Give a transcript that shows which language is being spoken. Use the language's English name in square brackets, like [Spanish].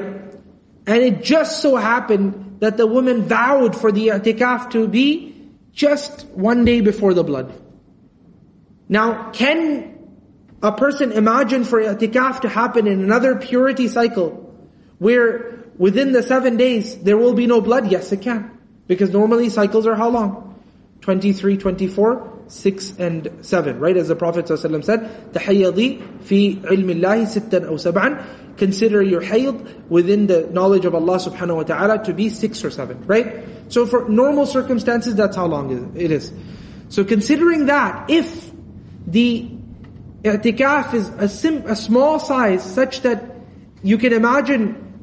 [English] And it just so happened that the woman vowed for the i'tikaf to be just 1 day before the blood. Now, can a person imagine for i'tikaf to happen in another purity cycle where within the 7 days there will be no blood? Yes, it can. Because normally cycles are how long? 23, 24, 6 and 7, right? [Arabic] As the Prophet ﷺ said, تَحَيَّضِي فِي عِلْمِ اللَّهِ سِتَّنْ أَوْ سَبْعًا. [English] Consider your hayd within the knowledge of Allah subhanahu wa ta'ala to be 6 or 7, right? So for normal circumstances, that's how long it is. So considering that, if the i'tikaf is a small size such that you can imagine